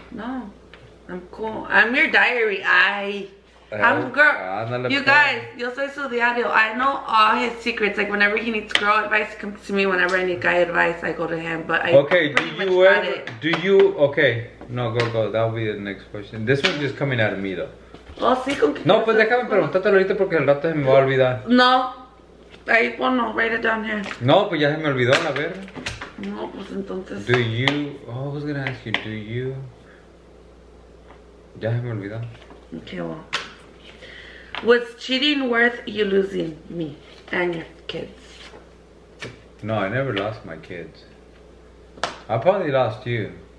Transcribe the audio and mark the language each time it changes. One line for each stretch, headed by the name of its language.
English: No. I'm cool. I'm your diary. I'm girl. You guys,
Spanish: yo soy su diario.
English: I know all his secrets. Like whenever he needs girl advice, he comes to me. Whenever I need guy advice, I go to him. But I okay. Do you much ever? It. Do you okay? No, go. That'll be the next question. This one's just coming out of me though.
Spanish: Oh, sí, con que no, pues déjame preguntarte ahorita porque el rato se me va a olvidar. No, ahí ponlo.
English: Write it down here.
Spanish: No, pues ya se me olvidó la verga. No, pues entonces.
English: Do you? Oh, I was gonna ask you. Do you?
Spanish: Ya se me olvidó.
English: Okay, well. Was cheating worth you losing me and your kids? No, I never lost my kids. I probably lost you.